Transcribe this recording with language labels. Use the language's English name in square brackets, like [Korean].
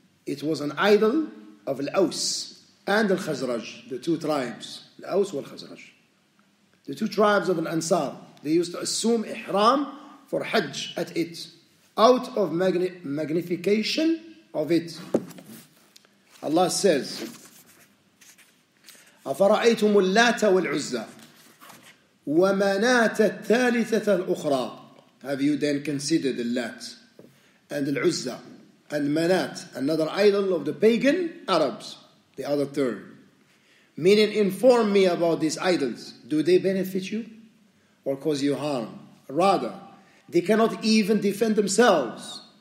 [English] It was an idol of Al-Aws and Al-Khazraj, the two tribes. Al-Aws and Al-Khazraj. The two tribes of Al-Ansar. They used to assume ihram for Hajj at it. Out of magnification of it. Allah says, [Arabic] أَفَرَأَيْتُمُ اللَّاتَ وَالْعُزَّةِ وَمَنَاتَ الثَّالِثَةَ الْأُخْرَى. [English] Have you then considered Al-Lat and Al-Uzzah? And Manat, another idol of the pagan Arabs, the other third. Meaning, inform me about these idols. Do they benefit you or cause you harm? Rather, they cannot even defend themselves.